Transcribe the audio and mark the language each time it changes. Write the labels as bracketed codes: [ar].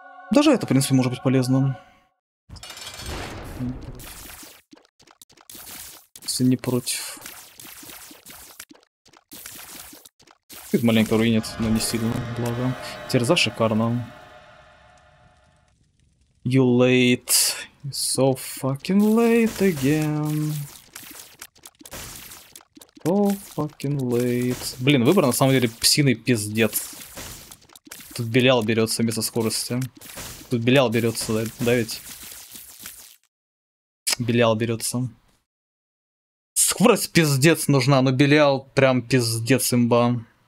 [ru] Даже это, в принципе, может быть полезным. Если не против. Тут маленько руинит, но не сильно, благо. Терза шикарно. [en] You late. You're so fucking late again. Oh, fucking late. [ru] Блин, выбор на самом деле псиный пиздец. Тут Белял берется вместо скорости. Тут Белял берется, да ведь? Белял берется. Скорость пиздец нужна, но Белял прям пиздец имба.